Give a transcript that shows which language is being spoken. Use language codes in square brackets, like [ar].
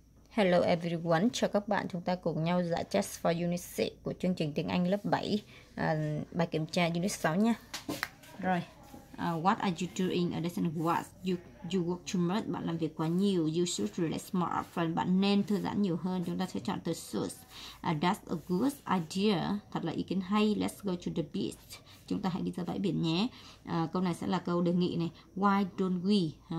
[en] Hello everyone, [vi] chào các bạn. Chúng ta cùng nhau giải [en] test for unit 6 [vi] của chương trình tiếng Anh lớp 7, bài kiểm tra unit 6 nha. [en] Rồi, what are you doing in a lesson? What? You work too much, [vi] bạn làm việc quá nhiều. [en] You should relax more often, [vi] bạn nên thư giãn nhiều hơn. Chúng ta sẽ chọn từ should. [en] That's a good idea, [vi] thật là ý kiến hay. [en] Let's go to the beach, [vi] chúng ta hãy đi ra bãi biển nhé. Câu này sẽ là câu đề nghị này. [en] Why don't we?